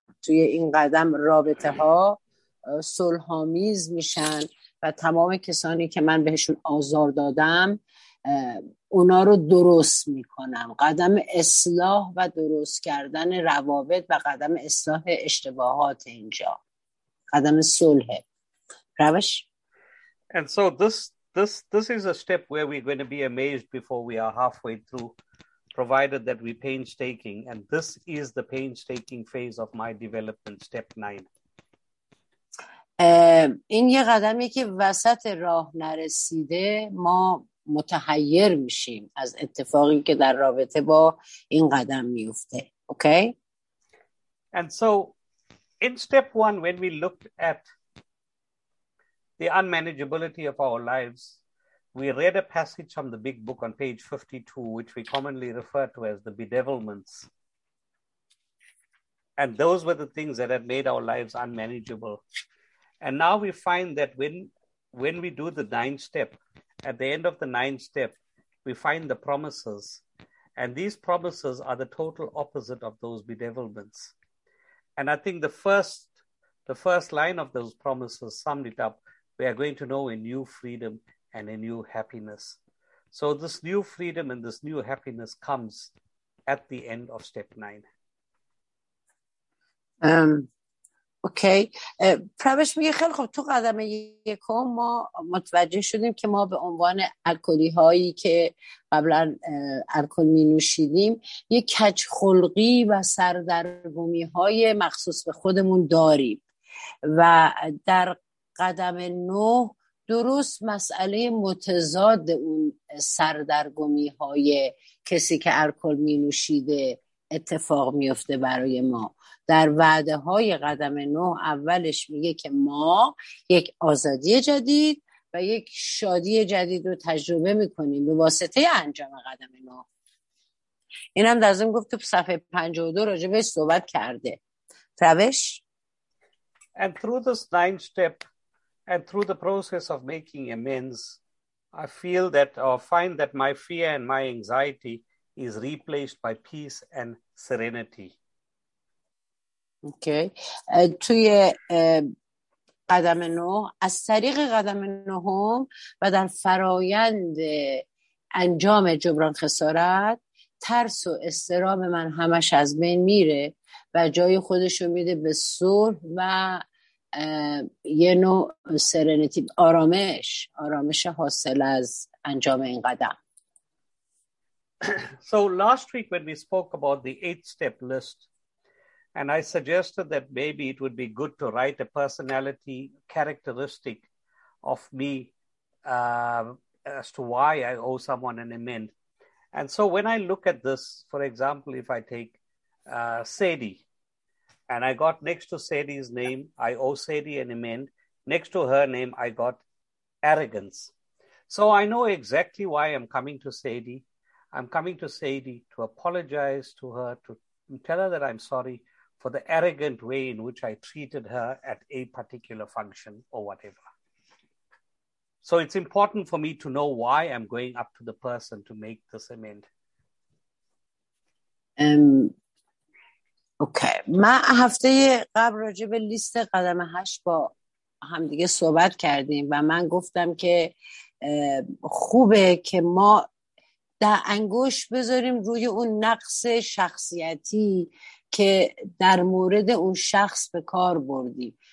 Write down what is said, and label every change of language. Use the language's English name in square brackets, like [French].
[Persian] توی این قدم رابطه ها صلح‌آمیز میشن و تمام کسانی که من بهشون آزار دادم اونا رو درست میکنم. قدم اصلاح و درست کردن روابط و قدم اصلاح اشتباهات اینجا. قدم صلح. روش. [English] And so this is a step where we're going to be amazed before we are halfway through, provided that we painstaking, and this is the painstaking phase of my development, step 9. [Persian] این یه قدمی که وسط راه نرسیده ما متحیر میشیم از اتفاقی که در رابطه با این قدم میفته. اوکی. [English] And so in step 1 when we looked at the unmanageability of our lives, we read a passage from the big book on page 52, which we commonly refer to as the bedevilments. And those were the things that had made our lives unmanageable. And now we find that when we do the 9th step, at the end of the 9th step, we find the promises. And these promises are the total opposite of those bedevilments. And I think the first line of those promises summed it up. We are going to know a new freedom and a new happiness. So this new freedom and this new happiness comes at the end of step 9. [Persian] اوکی. پروش میگه خیلی خب تو قدم یکم ما متوجه شدیم که ما به عنوان الکلی هایی که قبلا الکل می نوشیدیم یک کج خلقی و سردرگمی های مخصوص به خودمون داریم. و در قدم نو درست مسئله متضاد اون سردرگمی های کسی که الکل می نوشیده اتفاق می افته برای ما. در وعده های قدم نو اولش میگه که ما یک آزادی جدید و یک شادی جدید رو تجربه میکنیم به واسطه انجام قدم نو. این هم در ضمن گفت تو صفحه 52 راجبش صحبت کرده. روش [English] And through this ninth step and through the process of making amends, I feel that or find that my fear and my anxiety is replaced by peace and serenity. Okay. [Persian] توی قدم نو از طریق قدم نهم و در فرایند انجام جبران خسارت ترس و استرام من همش از بین میره و جای خودشو میده به صلح و یه نوع سرنتی آرامش حاصل از انجام این قدم. [English] So last week when we spoke about the 8 step list and I suggested that maybe it would be good to write a personality characteristic of me as to why I owe someone an amend. And so when I look at this, for example, if I take Sadie, and I got next to Sadie's name, I owe Sadie an amend. Next to her name, I got arrogance. So I know exactly why I'm coming to Sadie. I'm coming to Sadie to apologize to her, to tell her that I'm sorry for the arrogant way in which I treated her at a particular function or whatever. So it's important for me to know why I'm going up to the person to make this amend. Okay. [Persian] من هفته قبل راجع به لیست قدم 8 با هم دیگه صحبت کردیم و من گفتم که خوبه که ما در انگوش بذاریم روی اون نقص شخصیتی که در مورد اون شخص به کار بردیم.